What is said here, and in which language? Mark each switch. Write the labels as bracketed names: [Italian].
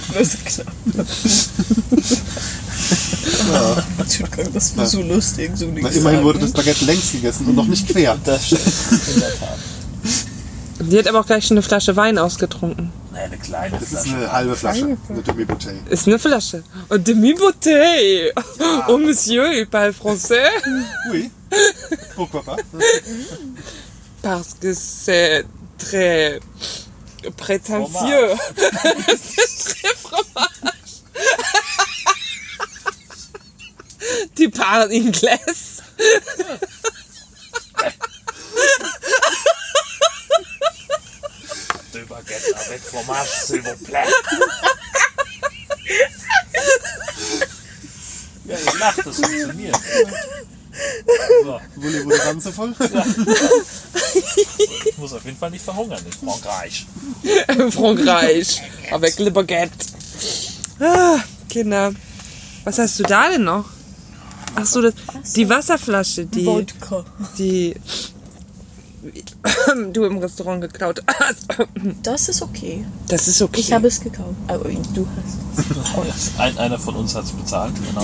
[German] Große Klappe. Das war so lustig. So nichts. Immerhin wurde das Baguette längst gegessen und noch nicht quer. Das stimmt. In der Tat. Die hat aber auch gleich schon eine Flasche Wein ausgetrunken. Naja, eine kleine das Flasche. Das ist eine halbe Flasche, eine Demi-Bouteille. Ist eine Flasche. Und Demi-Bouteille. Ja. [French] Oh, monsieur, il parle français. Oui. Pourquoi pas? Parce que c'est très prétentieux. C'est très fromage. Tu parles anglais. Baguette avec fromage, s'il vous plaît. [German] Ja, ich lach, das funktioniert. So, wurde Ranze voll? Ja. Ich muss auf jeden Fall nicht verhungern in Frankreich. [French] Frankreich, avec le baguette. [German] Ah, Kinder, was hast du da denn noch? Ach so, die Wasserflasche, die... Vodka. Die... du im Restaurant geklaut hast. Das ist okay. Das ist okay. Ich habe es gekauft. Oh, du hast es. Einer von uns hat es bezahlt, genau.